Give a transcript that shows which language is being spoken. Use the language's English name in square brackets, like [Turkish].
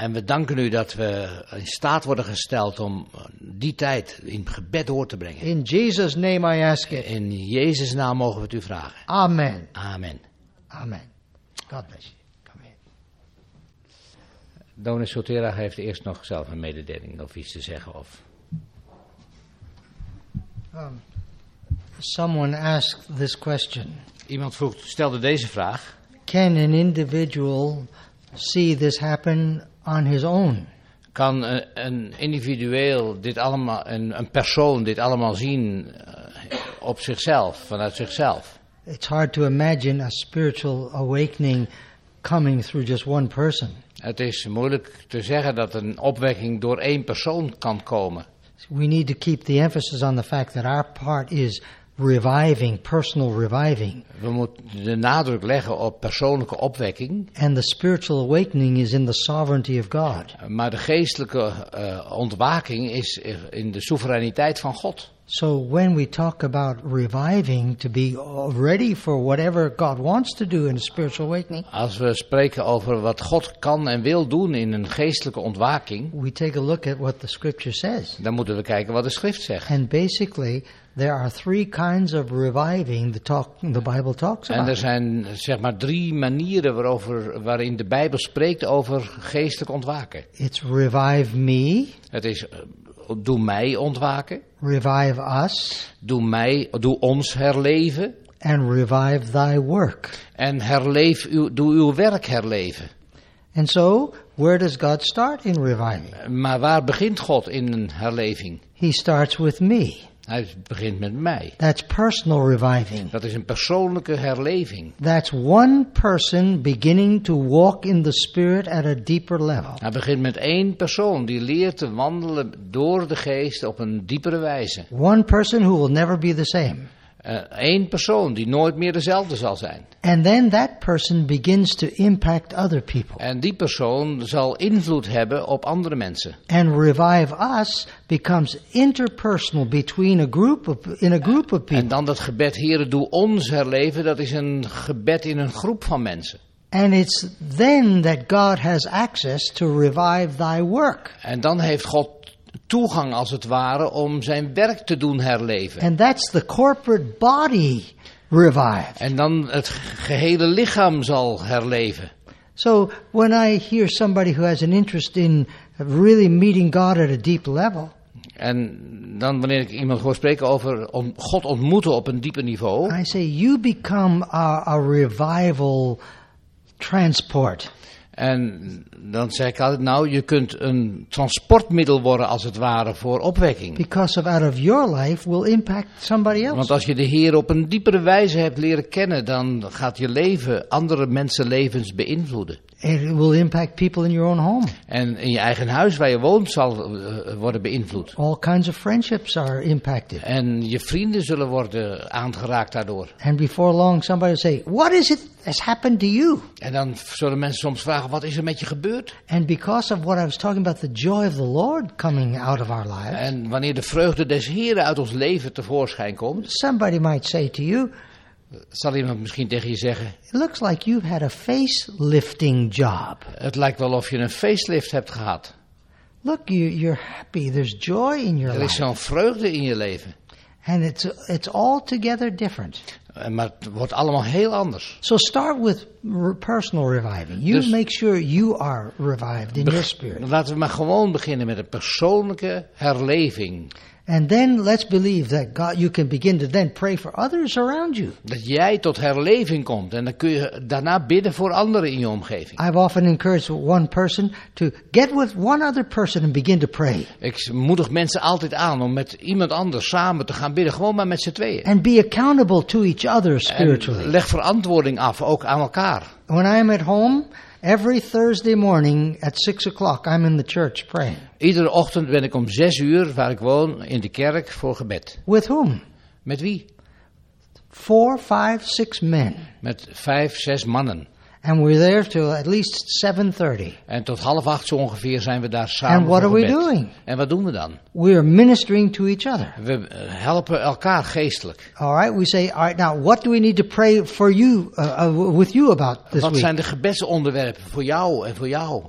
[Dutch] En we danken u dat we in staat worden gesteld om die tijd in gebed door te brengen. [English] In Jesus' name I ask it. [Dutch] In Jezus' naam mogen we het u vragen. [English] Amen. Amen. Amen. God bless you. Come in. [Dutch] Dominee Sotera heeft eerst nog zelf een mededeling of iets te zeggen. Of. [English] Someone asked this question. [Dutch] Iemand vroeg, stelde deze vraag. [English] Can an individual see this happen on his own? [Dutch] Kan een individueel dit allemaal, een persoon dit allemaal zien op zichzelf, vanuit zichzelf? [English] It's hard to imagine a spiritual awakening coming through just one person. [Dutch] Het is moeilijk te zeggen dat een opwekking door één persoon kan komen. [English] We need to keep the emphasis on the fact that our part is reviving, personal reviving. [Dutch] We moeten de nadruk leggen op persoonlijke opwekking. [English] And the spiritual awakening is in the sovereignty of God. [Dutch] Maar de geestelijke ontwaking is in de soevereiniteit van God. [English] So when we talk about reviving to be ready for whatever God wants to do in a spiritual awakening. [Dutch] Als we spreken over wat God kan en wil doen in een geestelijke ontwaking. [English] We take a look at what the scripture says. [Dutch] Dan moeten we kijken wat de schrift zegt. [English] And basically there are three kinds of reviving the Bible talks about. [Dutch] En er zijn zeg maar drie manieren waarin de Bijbel spreekt over geestelijk ontwaken. [English] It's revive me. [Dutch] Het is doe mij ontwaken. [English] Revive us. [Dutch] Doe ons herleven. [English] And revive thy work. [Dutch] En herleef doe uw werk herleven. [English] And so, where does God start in reviving? [Dutch] Maar waar begint God in een herleving? [English] He starts with me. [Dutch] Hij begint met mij. [English] That's personal reviving. [Dutch] Dat is een persoonlijke herleving. [English] That's one person beginning to walk in the spirit at a deeper level. [Dutch] Hij begint met één persoon die leert te wandelen door de geest op een diepere wijze. [English] One person who will never be the same. [Dutch] Eén persoon die nooit meer dezelfde zal zijn. [English] And then that person begins to impact other people. [Dutch] En die persoon zal invloed hebben op andere mensen. [English] And revive us becomes interpersonal between a group of in a group of people. [Dutch] En dan dat gebed, Heere, doe ons herleven, dat is een gebed in een groep van mensen. [English] And it's then that God has access to revive thy work. [Dutch] En dan heeft God toegang als het ware om zijn werk te doen herleven. [English] And that's the corporate body revived. [Dutch] En dan het gehele lichaam zal herleven. [English] So when I hear somebody who has an interest in really meeting God at a deep level. [Dutch] En dan wanneer ik iemand hoor spreken over om God ontmoeten op een dieper niveau. [English] I say you become a revival transport. [Dutch] En dan zeg ik altijd, nou, je kunt een transportmiddel worden als het ware voor opwekking. [English] Because of out of your life will impact somebody else. [Dutch] Want als je de Heer op een diepere wijze hebt leren kennen, dan gaat je leven andere mensenlevens beïnvloeden. [English] It will impact people in your own home. [Dutch] En in je eigen huis waar je woont zal worden beïnvloed. [English] All kinds of friendships are impacted. [Dutch] En je vrienden zullen worden aangeraakt daardoor. [English] And before long somebody will say, what is it has happened to you? [Dutch] En dan zullen mensen soms vragen, wat is er met je gebeurd? [English] And because of what I was talking about, the joy of the Lord coming out of our lives. [Dutch] En wanneer de vreugde des Heren uit ons leven tevoorschijn komt. [English] Somebody might say to you. [Dutch] Zal iemand misschien tegen je zeggen? [English] It looks like you've had a facelifting job. [Dutch] Het lijkt wel of je een facelift hebt gehad. [English] Look, you're happy. There's joy in your life. [Dutch] Er is zo'n vreugde in je leven. [English] And it's altogether different. [Dutch] Maar het wordt allemaal heel anders. [English] So start with personal reviving. You dus make sure you are revived in your spirit. [Dutch] Laten we maar gewoon beginnen met een persoonlijke herleving. [English] And then let's believe that God, you can begin to then pray for others around you. [Dutch] Dat jij tot herleving komt en dan kun je daarna bidden voor anderen in je omgeving. [English] I've often encouraged one person to get with one other person and begin to pray. [Dutch] Ik moedig mensen altijd aan om met iemand anders samen te gaan bidden, gewoon maar met z'n tweeën. [English] And be accountable to each other spiritually. [Dutch] En leg verantwoording af, ook aan elkaar. [English] When I am at home, every Thursday morning at 6 o'clock, I'm in the church praying. [Dutch] Iedere ochtend ben ik om 6 uur, waar ik woon, in de kerk voor gebed. [English] With whom? [Dutch] Met wie? [English] 4, 5, 6 men. [Dutch] Met 5, 6 mannen. [English] And we're there till at least 7:30. [Dutch] En tot 7:30 zo ongeveer zijn we daar samen. [English] And what [Dutch] voor [English] are [Dutch] gebed. [English] We doing? [Dutch] En wat doen we dan? [English] We're ministering to each other. [Dutch] We helpen elkaar geestelijk. [English] All right, we say, all right, now what do we need to pray for you with you about this week? [Dutch] Wat zijn de gebedsonderwerpen voor jou en voor jou?